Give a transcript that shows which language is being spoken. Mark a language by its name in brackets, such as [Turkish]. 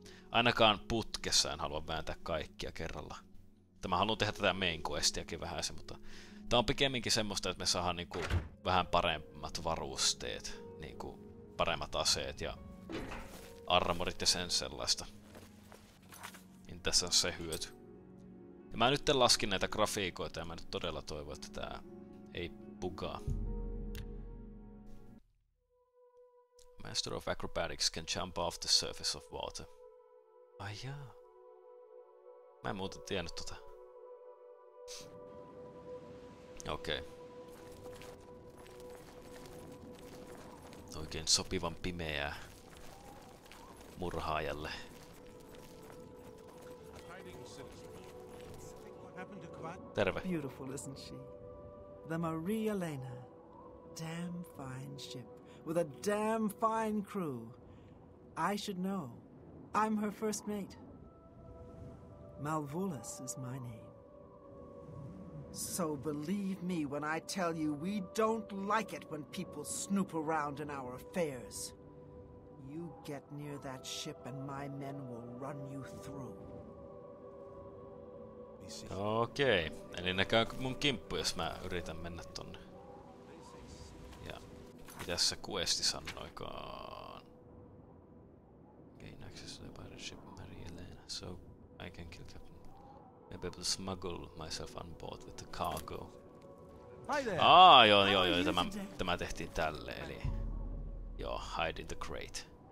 [Finnish] Ainakaan putkessa en halua vääntää kaikkia kerralla. Mä haluan tehdä tätä main questiäkin vähän se, mutta tää on pikemminkin semmoista, että me saadaan niinku vähän paremmat varusteet. Niinku paremmat aseet ja armorit ja sen sellaista. Niin tässä on se hyöty. Ja mä nyt laskin näitä grafiikoita ja mä nyt todella toivon, että tää ei bugaa. [English] Master of Acrobatics can jump off the surface of water. [Finnish] Ai jaa. Mä en muuten tiennyt tota. Okei. Okay. Oikein sopivan pimeää murhaajalle. Terve. [English] Beautiful, isn't she? The Marie Elena. Damn fine ship. With a damn fine crew. I should know. I'm her first mate. Malvolus is my name. So believe me when I tell you we don't like it when people snoop around in our affairs. You get near that ship and my men will run you through. [Finnish] Okei, eli näkään mun kimppu, jos mä yritän mennä tonne. Ja mitäs se questi sanoikaan? [English] Gain access to the pirate ship Maria Elena, so I can kill Captain. Maybe I'll smuggle myself on board with the cargo. Hi there. [Finnish] Ah, joo, tämä tehtiin tälle, eli... Joo, [English] hide in the crate.